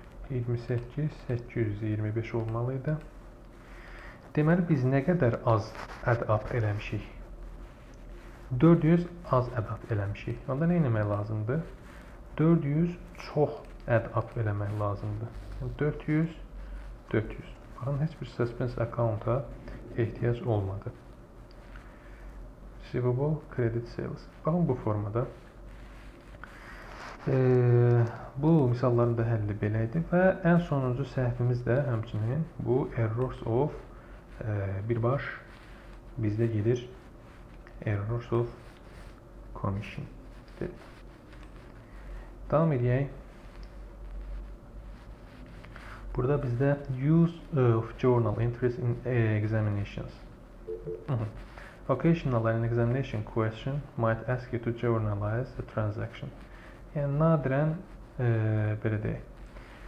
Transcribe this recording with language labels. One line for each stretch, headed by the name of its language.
Azerbaijani: 28825 olmalı idi. Deməli biz nə qədər az ədəb eləmişik? 400 az ədəb eləmişik. Onda nə etmək lazımdır? 400 çox ədəb eləmək lazımdır. 400 400. Baxın, heç bir suspense account-a ehtiyac olmadı.
English: Receivable credit sales.
Azerbaijani: Baxın bu formada. Bu misalların da həlli belə idi və ən sonuncu səhvimiz də həmçinin bu errors of birbaş bizdə gelir errors of commission. Davam edək. Burada bizdə
English: use of journal entries in examinations. Occasional an examination question might ask you to journalize the transaction.
Azerbaijani: Yəni, nadirən belə deyək.